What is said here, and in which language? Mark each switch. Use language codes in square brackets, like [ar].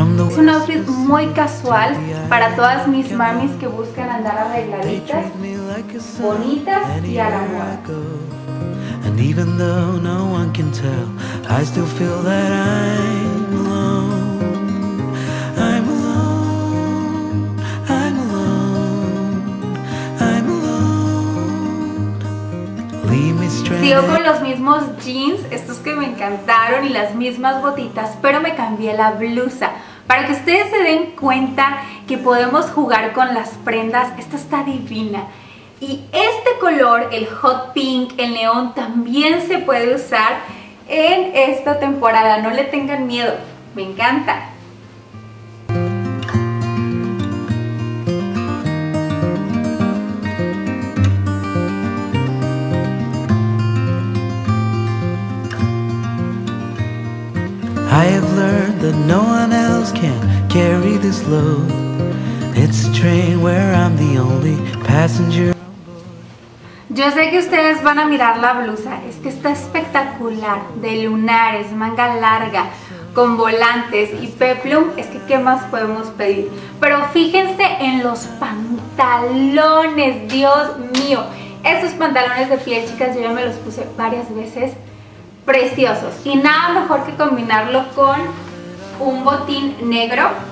[es] Es un outfit muy casual para todas mis mamis que buscan andar arregladitas, bonitas y a la moda. [en] And even though no one can tell, I still feel that I'm alone. I'm alone. I'm alone. I'm alone. Leave me stranded. [es] Sigo con los mismos jeans, estos que me encantaron, y las mismas botitas, pero me cambié la blusa. Para que ustedes se den cuenta que podemos jugar con las prendas, esta está divina. Y este color, el hot pink, el neón, también se puede usar en esta temporada. No le tengan miedo, me encanta. [en] I have learned that no one else can carry this load. It's a train where I'm the only passenger. [es] Yo sé que ustedes van a mirar la blusa, es que está espectacular, de lunares, manga larga, con volantes y peplum, es que ¿qué más podemos pedir? Pero fíjense en los pantalones, Dios mío, esos pantalones de piel, chicas, yo ya me los puse varias veces, preciosos, y nada mejor que combinarlo con un botín negro.